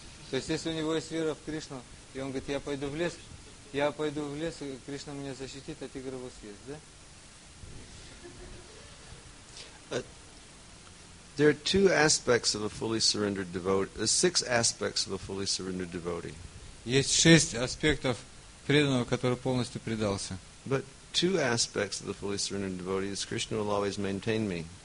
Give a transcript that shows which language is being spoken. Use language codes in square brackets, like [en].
[ru] То есть, если у него есть вера в Кришну, и он говорит, я пойду в лес, и Кришна меня защитит, а тигр его съест, да? [en] There are two aspects of a fully surrendered devotee. There are six aspects of a fully surrendered devotee. [ru] Есть шесть аспектов преданного, который полностью предался. [en] But two aspects of the fully surrendered devotee is Krishna will always maintain me.